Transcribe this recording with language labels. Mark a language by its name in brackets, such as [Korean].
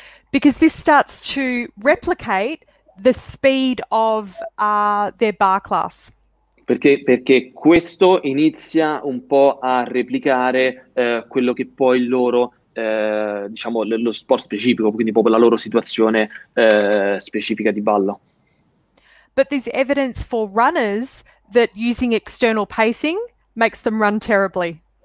[English] Because this starts to replicate the speed of their bar class. [Italian] Perché questo inizia un po' a replicare quello che poi il loro, diciamo, lo sport specifico, quindi proprio la loro situazione specifica di ballo. [English] But there's evidence for runners that using external pacing makes them run terribly.